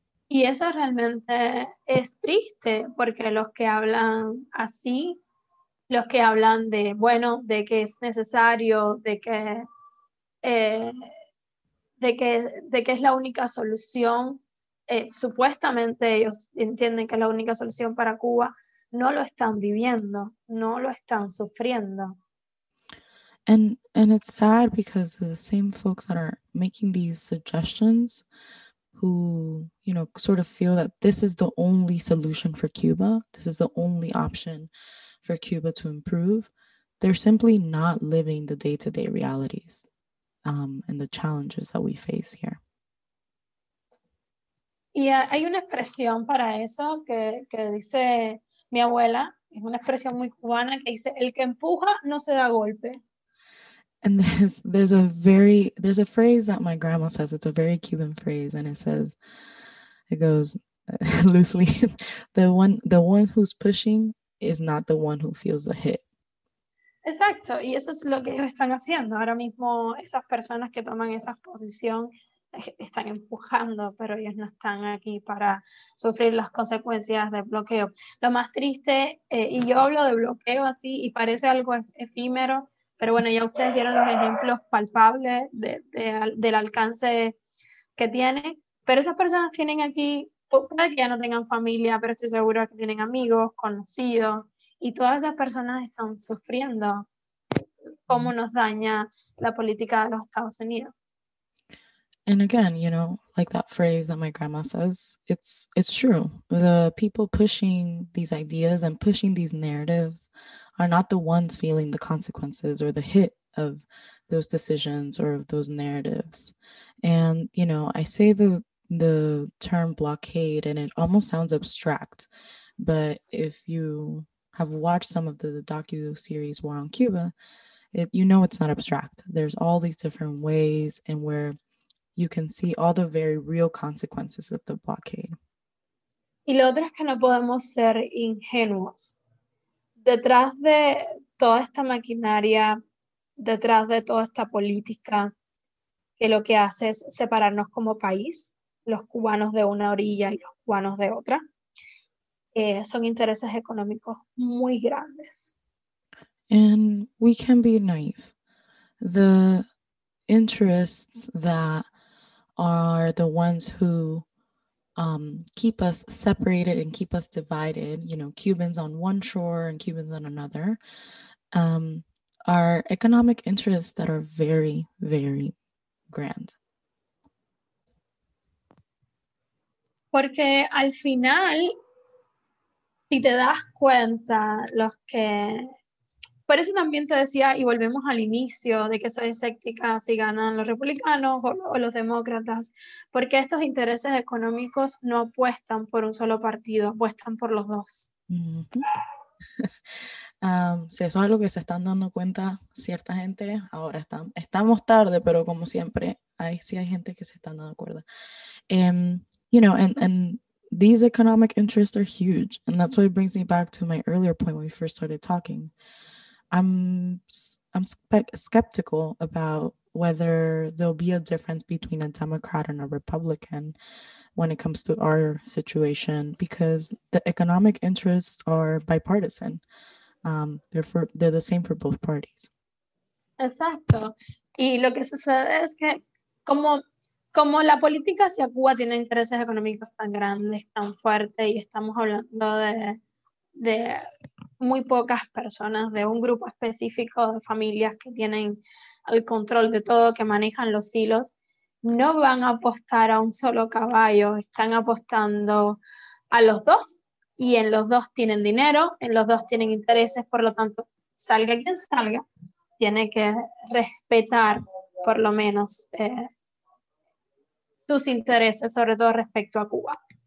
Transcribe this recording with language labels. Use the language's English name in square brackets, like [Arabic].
[Spanish] Y eso realmente es triste porque los que hablan así, los que hablan de, bueno, de que es necesario, de que es la única solución, supuestamente ellos entienden que es la única solución para Cuba, no lo están viviendo, no lo están sufriendo. [English] And it's sad because the same folks that are making these suggestions, who, you know, sort of feel that this is the only solution for Cuba, this is the only option for Cuba to improve, they're simply not living the day-to-day realities. And the challenges that we face here. Yeah, [Spanish] hay una expresión para eso que dice mi abuela, es una expresión muy cubana que dice el que empuja no se da golpe. [English] And there's a phrase that my grandma says, it's a very Cuban phrase, and it goes loosely, the one who's pushing is not the one who feels the hit. [Spanish] Exacto, y eso es lo que ellos están haciendo ahora mismo, esas personas que toman esa posición están empujando, pero ellos no están aquí para sufrir las consecuencias del bloqueo. Lo más triste, y yo hablo de bloqueo así, y parece algo efímero, pero bueno, ya ustedes vieron los ejemplos palpables del alcance que tienen, pero esas personas tienen aquí, puede que ya no tengan familia, pero estoy segura que tienen amigos, conocidos, y todas esas personas están sufriendo cómo nos daña la política de los Estados Unidos. [English] And again, you know, like that phrase that my grandma says, it's true. The people pushing these ideas and pushing these narratives are not the ones feeling the consequences or the hit of those decisions or of those narratives. And, you know, I say the term blockade and it almost sounds abstract, but if you have watched some of the docu-series War on Cuba, you know it's not abstract. There's all these different ways and where you can see all the very real consequences of the blockade. [Spanish] Y lo otro es que no podemos ser ingenuos. Detrás de toda esta maquinaria, detrás de toda esta política, que lo que hace es separarnos como país, los cubanos de una orilla y los cubanos de otra, son intereses económicos muy grandes. [English] And we can be naive. The interests that are the ones who keep us separated and keep us divided, you know, Cubans on one shore and Cubans on another, are economic interests that are very, very grand. [Spanish] Porque al final, si te das cuenta, los que... Por eso también te decía, y volvemos al inicio, de que soy escéptica si ganan los republicanos o los demócratas, porque estos intereses económicos no apuestan por un solo partido, apuestan por los dos. Mm-hmm. Si eso es algo que se están dando cuenta cierta gente, ahora estamos tarde, pero como siempre, hay gente que se están dando cuenta. [English] You know, and these economic interests are huge, and that's what brings me back to my earlier point when we first started talking. I'm skeptical about whether there'll be a difference between a Democrat and a Republican when it comes to our situation, because the economic interests are bipartisan. They're the same for both parties. [Spanish] Exacto. Y lo que sucede es que como la política hacia Cuba tiene intereses económicos tan grandes, tan fuertes, y estamos hablando de muy pocas personas, de un grupo específico de familias que tienen el control de todo, que manejan los hilos, no van a apostar a un solo caballo, están apostando a los dos, y en los dos tienen dinero, en los dos tienen intereses, por lo tanto, salga quien salga, tiene que respetar por lo menos sus intereses, sobre todo respecto a Cuba.